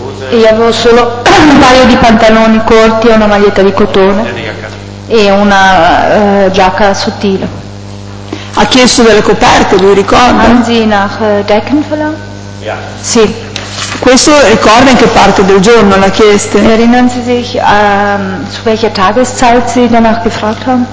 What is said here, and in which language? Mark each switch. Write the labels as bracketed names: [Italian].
[Italian] E avevo solo un paio di pantaloni corti e una maglietta di cotone. E una giacca sottile. Ha chiesto delle coperte, lui ricorda? [German] Haben Sie nach Decken verlangt? [Italian] Sì. Questo ricorda in che parte del giorno l'ha chiesto? [German] Erinnern Sie sich zu welcher Tageszeit Sie danach gefragt haben?